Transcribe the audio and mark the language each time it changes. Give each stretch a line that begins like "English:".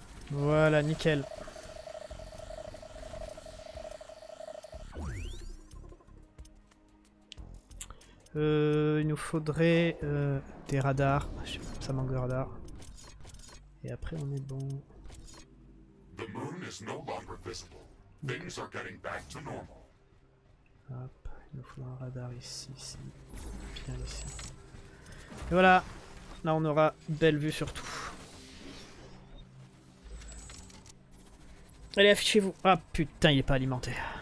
French: Voilà, nickel. Il nous faudrait des radars. Je sais pas, ça manque de radars. Et après, on est bon.
English: The moon is no longer visible. Things are getting back to normal.
French: Hop, il nous faut un radar ici, ici. Bien ici. Et voilà, là on aura belle vue sur tout. Allez, affichez-vous. Ah putain, il est pas alimenté.